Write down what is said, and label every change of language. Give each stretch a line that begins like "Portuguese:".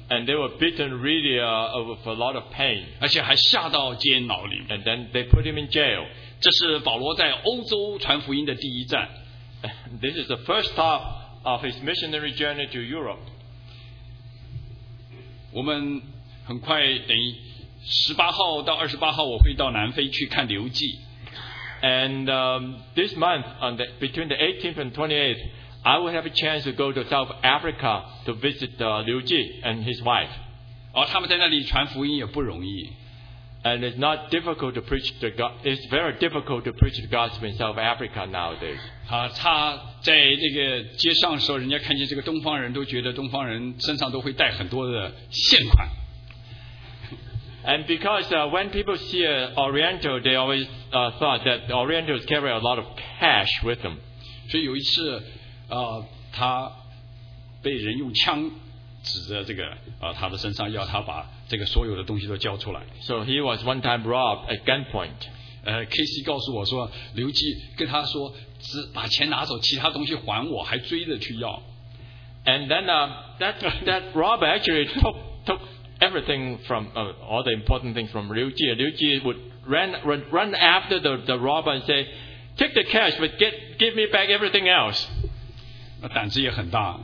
English: And they were beaten really with a lot of pain.
Chinese: 而且还下到监牢里。
English: And then they put him in jail.
Chinese: 这是保罗在欧洲传福音的第一站。
English: This is the first stop of his missionary journey to Europe.
Chinese: 我们很快等于。18号到28号我会到南非去看刘季。
English: And this month, between the 18th and 28th, I will have a chance to go to South Africa to visit Liu Ji and his wife.
Chinese: 他们在那里传福音也不容易。
English: And it's not difficult to preach the gospel, it's very difficult to preach the gospel in South Africa nowadays.
Chinese: 他在这个街上的时候，人家看见这个东方人都觉得东方人身上都会带很多的现款。
English: And because when people see an Oriental, they always thought that the Orientals carry a lot of cash with them.
Chinese: 所以有一次，他被人用枪指着这个、他的身上，要他把这个所有的东西都交出来。
English: So he was one time robbed at gunpoint.
Chinese: Casey 告诉我说，刘基跟他说，只把钱拿走，其他东西还我，还追着去要。
English: And then that robber actually took everything from、all the important things from Liu Ji. Liu Ji would run after the robber and say, "Take the cash, but give me back everything else."
Chinese: 那胆子也很大。